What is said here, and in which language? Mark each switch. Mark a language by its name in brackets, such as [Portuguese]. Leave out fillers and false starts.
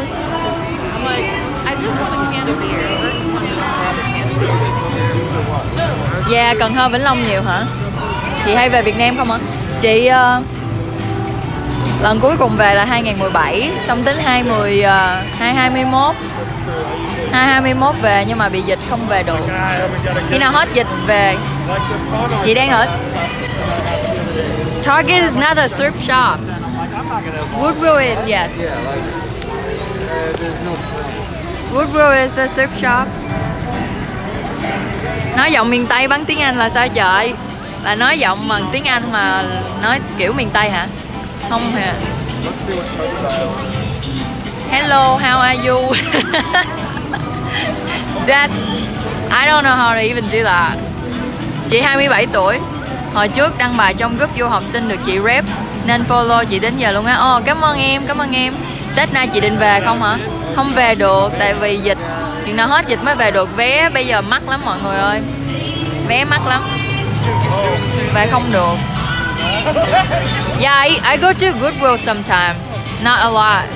[English] I'm like, I just want a can of beer. [Vietnamese] Yeah, Cần Thơ, Vĩnh Long nhiều hả? Chị hay về Việt Nam không hả? Chị lần cuối cùng về là 2017, xong tính 2021. 2021 về nhưng mà bị dịch không về được. Khi nào hết dịch về, chị đang ở [English] Target is not a thrift shop. Woodrow is, yes. Woodrow is the thrift shop. [Vietnamese] Nói giọng miền Tây bán tiếng Anh là sao trời? Là nói giọng bằng tiếng Anh mà nói kiểu miền Tây hả? Không hề. [English] Hello, how are you? That's, I don't know how to even do that. [Vietnamese] Chị 27 tuổi. Hồi trước đăng bài trong group du học sinh được chị rep nên follow chị đến giờ luôn á. Oh, cảm ơn em, cảm ơn em. Tết nay chị định về không hả? Không về được tại vì dịch. Chuyện nào hết dịch mới về được. Vé bây giờ mắc lắm mọi người ơi. Vé mắc lắm. Về không được. [English] Yeah, I go to Goodwill sometime. Not a lot.